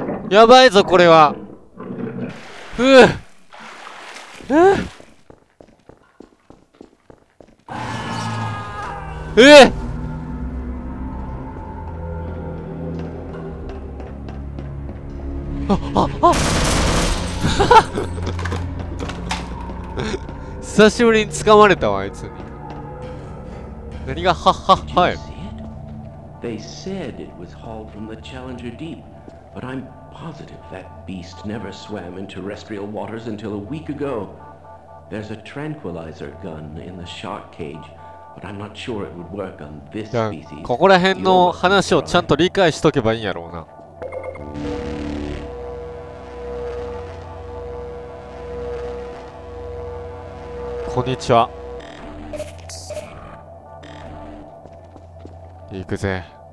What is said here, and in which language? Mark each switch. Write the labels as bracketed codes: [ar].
[ja] やばいぞこれは。ふぅ、ふぅ、ああ久しぶりに掴まれたわ、あいつに。何がハッハッハや。 [en] They said it was hauled from the Challenger Deep, but I'm positive that beast never swam in terrestrial waters until a week ago. There's a tranquilizer gun in the shark cage, but I'm not sure it would work on this species. [ja] ここら辺の話をちゃんと理解しとけばいいんやろうな。こんにちは。行くぜ。